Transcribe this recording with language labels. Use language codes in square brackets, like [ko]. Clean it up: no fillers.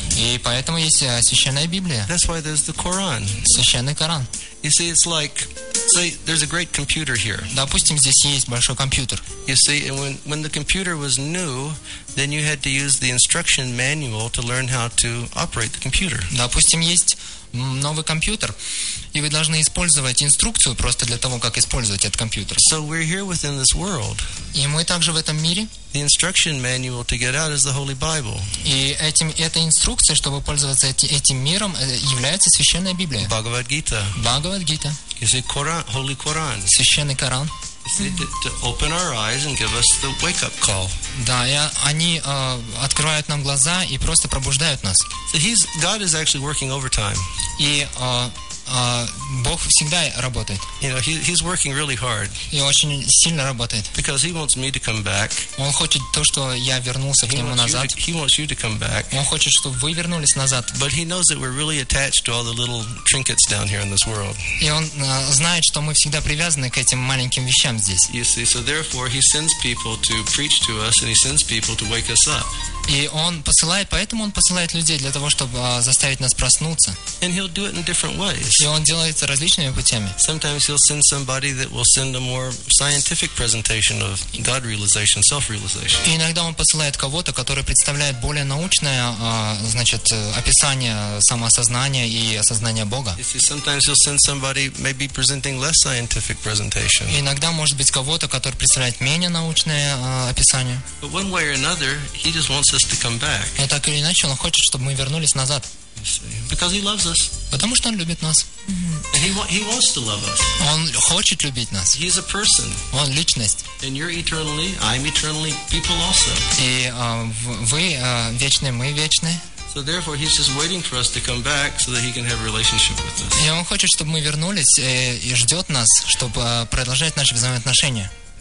[ru] И поэтому есть священная Библия. [en] That's why there's the Quran. [ru] Священный Коран. [en] You see, it's like, say, there's a great computer here. [ru] Допустим, здесь есть большой компьютер. [en] You see, and when the computer was new, then you had to use the instruction manual to learn how to operate the computer. [ru] Допустим, есть новый компьютер, и вы должны использовать инструкцию просто для того, как использовать этот компьютер. [en] So we're here within this world. [ru] И мы также в этом мире. [en] The instruction manual to get out is the Holy Bible. [ru] И эта инструкция, чтобы пользоваться этим миром, является священная Библия. Бхагавад-гита. Бхагавад-гита. [en] You see, Quran, Holy Quran. [ru] Священный Коран. [en] To open our eyes and give us the wake-up call. [ru] Да, они открывают нам глаза и просто пробуждают нас. [en] So God is actually working overtime. [ru] И Бог всегда работает. [en] You know, he's working really hard. [ru] И очень сильно работает. [en] Because he wants me to come back. [ru] Он хочет то, что я вернулся к нему назад. [en] He wants you to come back. [ru] Он хочет, чтобы вы вернулись назад. [en] But he knows that we're really attached to all the little trinkets down here in this world. [ru] И он знает, что мы всегда привязаны к этим маленьким вещам здесь. [en] You see, so therefore he sends people to preach to us, and he sends people to wake us up. [ru] И он посылает, поэтому он посылает людей для того, чтобы заставить нас проснуться. [en] And he'll do it in different ways. [ru] И он делает это различными путями. [en] Sometimes he'll send somebody that will send a more scientific presentation of God realization, self-realization. [ru] И иногда он посылает кого-то, который представляет более научное, значит, описание самоосознания и осознания Бога. [en] Sometimes he'll send somebody maybe presenting less scientific presentation. [ru] И иногда может быть кого-то, который представляет менее научное описание. [en] But one way or another, he just wants us to come back. [ru] Но так или иначе, он хочет, чтобы мы вернулись назад. [en] Because he loves us. [ru] Потому что он любит нас. [en] And he wants to love us. [ru] Он хочет любить нас. [en] He is a person. [ru] Он личность. [en] And you're eternally, I'm eternally, people also. [ru] И вы вечные, мы вечные. [en] So therefore, he's just waiting for us to come back so that he can have a relationship with us. [ru] И он хочет, чтобы мы вернулись и ждет нас, чтобы продолжать наши взаимоотношения.